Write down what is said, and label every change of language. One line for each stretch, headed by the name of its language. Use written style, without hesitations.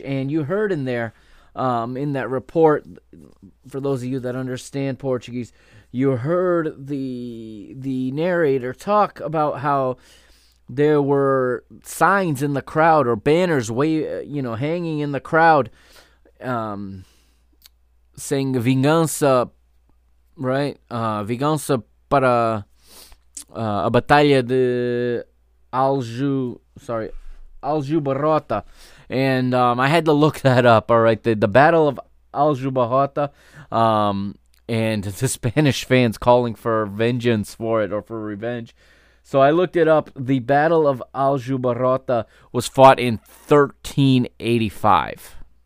English: And you heard in there, in that report, for those of you that understand Portuguese, you heard the narrator talk about how there were signs in the crowd or banners hanging in the crowd saying vingança, right?
Portuguese: Vingança para a batalha de Álvaro Barrota.
English: And I had to look that up, all right? The Battle of Álvaro Barrota. And the Spanish fans calling for vengeance for it or for revenge. So I looked it up. The Battle of Álvaro Barrota was fought in 1385.